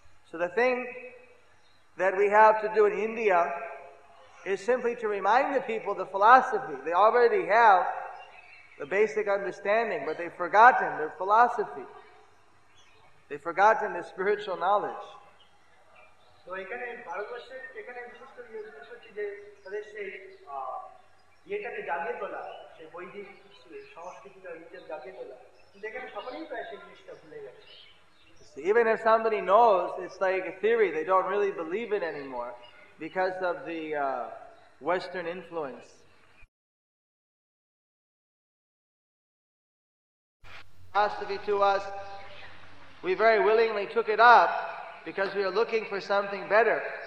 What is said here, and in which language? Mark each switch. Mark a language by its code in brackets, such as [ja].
[en] So the thing that we have to do in India is simply to remind the people the philosophy. They already have the basic understanding, but they've forgotten their philosophy. They've forgotten the spiritual knowledge. [bn] So, এখানে ভারতবর্ষে এখানে বিশেষ করে যে উদ্দেশ্য হচ্ছে যে তাদের সেই ইয়েটাকে জাগিয়ে তোলা, সেই বৈদিক সংস্কৃতিটা নিজের জাগিয়ে তোলা, কিন্তু এখানে সকলেই প্রায় সেই জিনিসটা ভুলে গেছে। [en] See, even if somebody knows, it's like a theory, they don't really believe it anymore, because of the Western influence. Philosophy to us, we very willingly took it up because we are looking for something better.